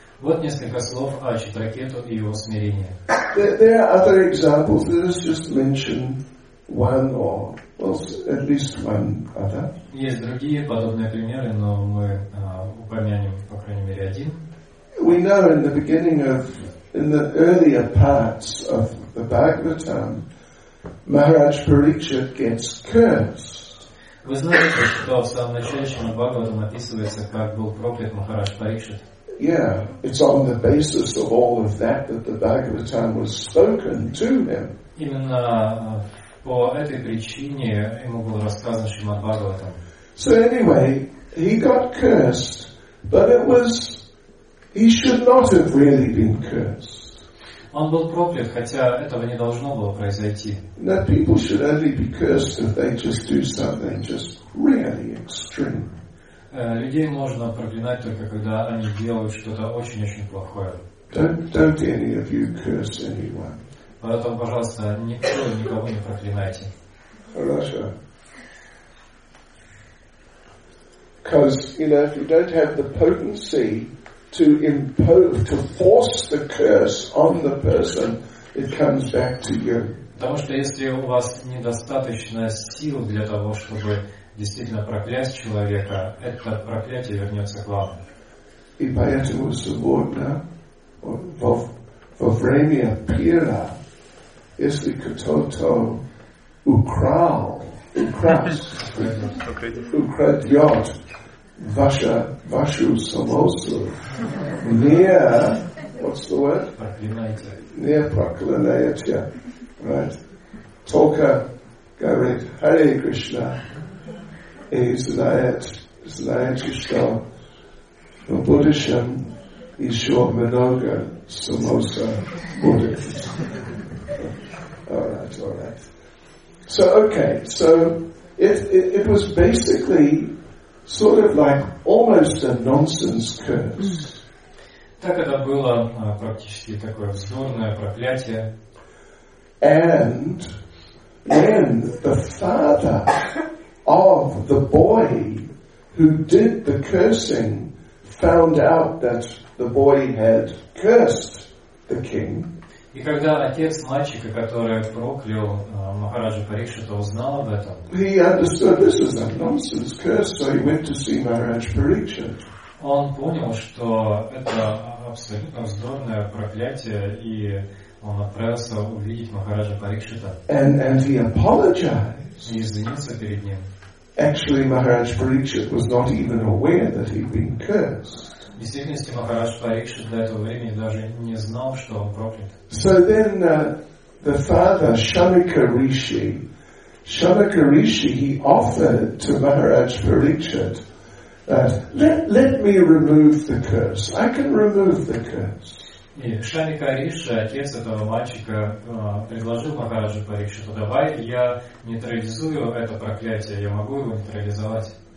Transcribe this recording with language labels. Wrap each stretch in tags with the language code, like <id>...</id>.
<ru>Вот несколько слов о Читракету и его смирении.</ru> <en>There are other examples. Let's just mention one or at least one other.</en> <ru>Есть другие подобные примеры, но мы упомянем, по крайней мере, один.</ru> <en>We know in the beginning of, in the earlier parts of the Bhagavatam, Maharaj Parikshit gets cursed.</en> <ru>Вы знаете, что в самом начале Шримад Бхагаватам описывается, как был проклят Махарадж Парикшит?</ru> <en>Yeah, it's on the basis of all of that that the Bhagavatam was spoken to him.</en> <ru>Именно по этой причине ему был рассказан Шримад Бхагаватам.</ru> <en>So anyway, he got cursed, but it was he should not have really been cursed.</en> <ru>Он был проклят, хотя этого не должно было произойти.</ru> <en>That people should only be cursed if they just do something just really extreme.</en> <ru>Людей можно проклинать только когда они делают что-то очень-очень плохое.</ru> <en>Don't any of you curse anyone.</en> <ru>Поэтому, пожалуйста, никто никого не проклинайте. Хорошо.</ru> <en>Because, you know, if you don't have the potency to impose, to force the curse on the person, it comes back to you.</en> <ru>Потому что если у вас недостаточно сил для того, чтобы действительно проклясть человека, это проклятие вернется к вам. И поэтому субботно во время пира, если кто-то украдет вашу самосу, не проклинайте, right? Только говорит Харе Кришна. И знаете, что в будущем еще много самоса будет.</ru> <en>All right. So, okay. So, it was basically sort of like almost a nonsense curse.</en> <ru>Так это было практически такое вздорное проклятие.</ru> <en>And then the father of the boy who did the cursing found out that the boy had cursed the king.</en> <ru>И когда отец мальчика, который проклял Махараджа Парикшита, узнал об этом,</ru> <en>he understood this is a nonsense curse, so he went to see Maharaj Parikshit.</en> <ru>Он понял, что это абсолютно вздорное проклятие, и он отправился увидеть Махараджа Парикшита.</ru> <en>And he apologized.</en> <ru>И извинился перед ним.</ru> <en>Actually, Maharaj Parikshit was not even aware that he'd been cursed.</en> <ru>Действительно, Махарадж Парикшит до этого времени даже не знал, что он проклят.</ru> <en>So then, the father Shanaka Rishi, he offered to Maharaj Parikshit that let me remove the curse. I can remove the curse.</en> <ru>И Шанака Риши, отец этого мальчика, предложил Махараджу Парикшиту, давай я нейтрализую это проклятие, я могу его нейтрализовать.</ru>